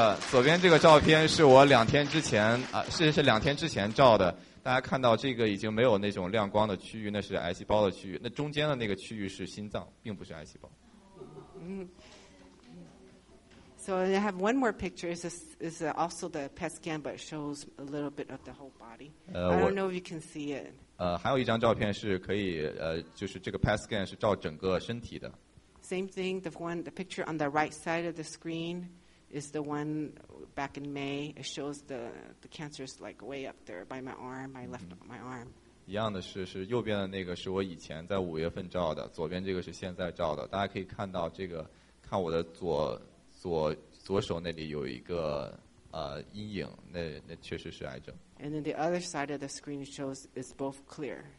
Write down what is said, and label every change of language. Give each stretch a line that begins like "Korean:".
Chinese: 左边这个照片是我两天之前照的。大家看到这个已经没有那种亮光的区域，那是癌细胞的区域。那中间的那个区域是心脏，并不是癌细胞。
English: So I have one more picture. It's also the PET scan, but shows a little bit of the whole body. I don't know if you can see it.
Chinese: 还有一张照片是可以就是这个 PET scan 是照整个身体的。
English: Same thing. The picture on the right side of the screen is the one. Back in May, it shows the cancer is like way up there by my arm, my left my arm.
Chinese: 一样的是右边的那个是我以前在五月份照的，左边这个是现在照的。大家可以看到这个，看我的左手那里有一个阴影，那确实是癌症。
English: And then the other side of the screen shows it's both clear.